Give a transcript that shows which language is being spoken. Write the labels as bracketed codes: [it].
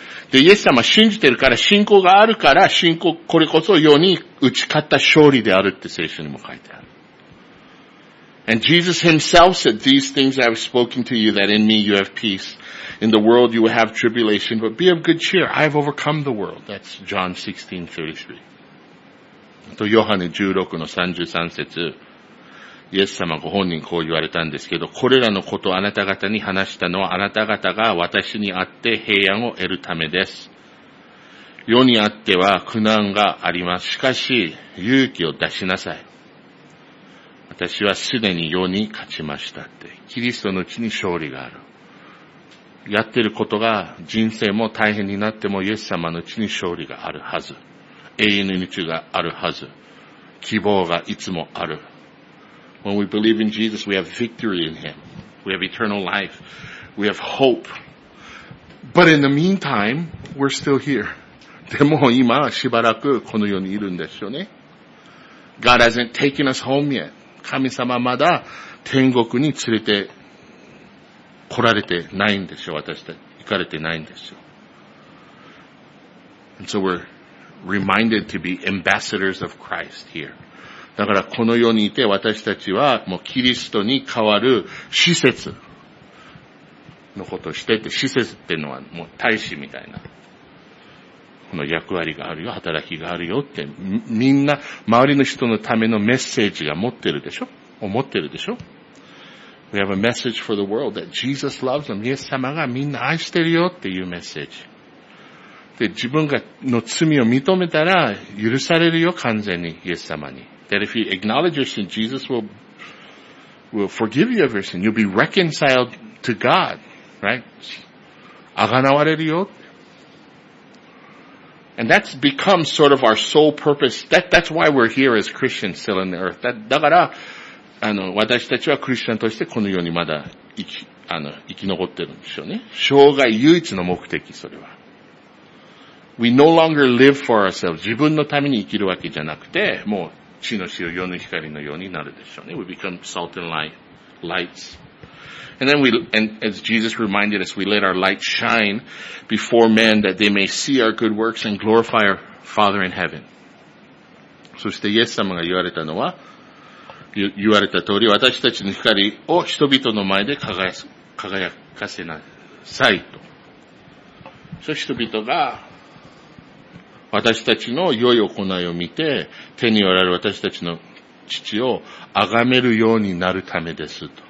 [ja] で、イエス様信じてるから、信仰があるから、信仰、これこそ世に打ち勝った勝利であるって聖書にも書いてある。 [en] And Jesus himself said, These things I have spoken to you, that in me you have peace. In the world you will have tribulation, but be of good cheer. I have overcome the world. That's John 16:33. [ja] と、ヨハネ16の33節。イエス様ご本人こう言われたんですけど、これらのことをあなた方に話したのはあなた方が私にあって平安を得るためです。世にあっては苦難があります。しかし勇気を出しなさい。私はすでに世に勝ちましたって。キリストのうちに勝利がある。やってることが人生も大変になってもイエス様のうちに勝利があるはず。永遠の命があるはず。希望がいつもある。 [en] When we believe in Jesus, we have victory in Him. We have eternal life. We have hope. But in the meantime, we're still here. [ja] でも今しばらくこの世にいるんですよね。 [en] God hasn't taken us home yet. [ja] 神様まだ天国に連れて来られてないんですよ。私たち行かれてないんですよ。 [en] And so we're reminded to be ambassadors of Christ here. [ja] だからこの世にいて私たちはもうキリストに代わる施設のことをしてて、施設っていうのはもう大使みたいな、この役割があるよ、働きがあるよって、みんな周りの人のためのメッセージが持ってるでしょ、思ってるでしょ。 [en] We have a message for the world that Jesus loves them. [ja] イエス様がみんな愛してるよっていうメッセージで、自分がの罪を認めたら許されるよ、完全にイエス様に。 [en] That if you acknowledge your sin, Jesus will forgive you of your sin. You'll be reconciled to God, right? [ja] あがなわれるよ。 [en] And that's become sort of our sole purpose. That's why we're here as Christians still in the earth. [ja] だから、私たちはクリスチャンとしてこの世にまだ生き残ってるんでしょうね。生涯唯一の目的、それは。 [en] We no longer live for ourselves. [ja] 自分のために生きるわけじゃなくて、もう、地の塩、世の光のようになるでしょうね。 [en] We become salt and light, lights. And then as Jesus reminded us, we let our light shine before men that they may see our good works and glorify our Father in heaven. [ja] そしてイエス様が言われたのは、言われた通り、私たちの光を人々の前で輝かせなさいと。そして人々が、私たちの良い行いを見て、手におられる私たちの父を崇めるようになるためですと。